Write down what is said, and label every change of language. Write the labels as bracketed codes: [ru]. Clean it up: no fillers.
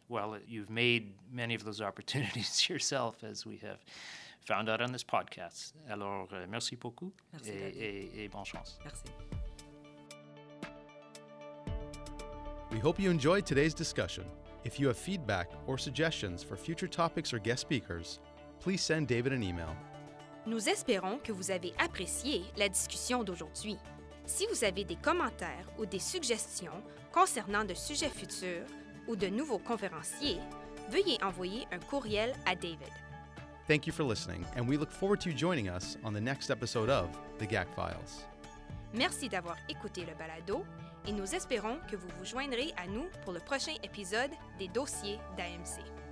[en] Well, you've made many of those opportunities yourself, as we have found out on this podcast. [fr] Alors, merci beaucoup. Merci, et bonne chance. Merci. [en] We hope you enjoyed today's discussion. If you have feedback or suggestions for future topics or guest speakers, please send David an email. [fr] Nous espérons que vous avez apprécié la discussion d'aujourd'hui. Si vous avez des commentaires ou des suggestions concernant de sujets futurs ou de nouveaux conférenciers, veuillez envoyer un courriel à David. [en] Thank you for listening, and we look forward to you joining us on the next episode of The GAC Files. [fr] Merci d'avoir écouté le balado, et nous espérons que vous vous joindrez à nous pour le prochain épisode des dossiers d'AMC.